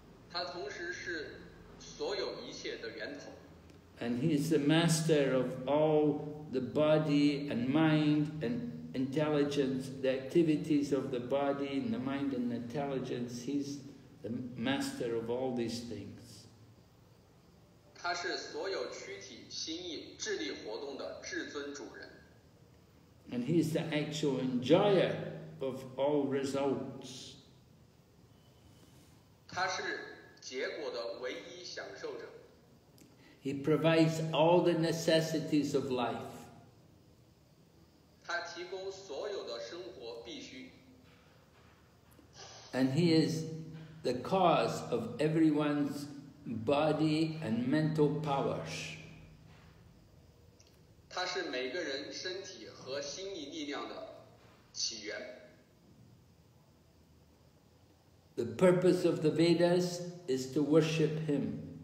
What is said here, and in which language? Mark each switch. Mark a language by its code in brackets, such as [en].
[zh] 他同时是所有一切的源头。 [en] And he is the master of all the body and mind and intelligence, the activities of the body and the mind and the intelligence, he's the master of all these things. [zh] 他是所有躯体、心意、智力活动的至尊主人。 [en] And he's the actual enjoyer of all results. [zh] 他是结果的唯一享受者。 [en] He provides all the necessities of life. [zh] 他提供所有的生活必须。 [en] And he is the cause of everyone's body and mental powers. [zh] 他是每个人身体和心理力量的起源。 [en] The purpose of the Vedas is to worship him.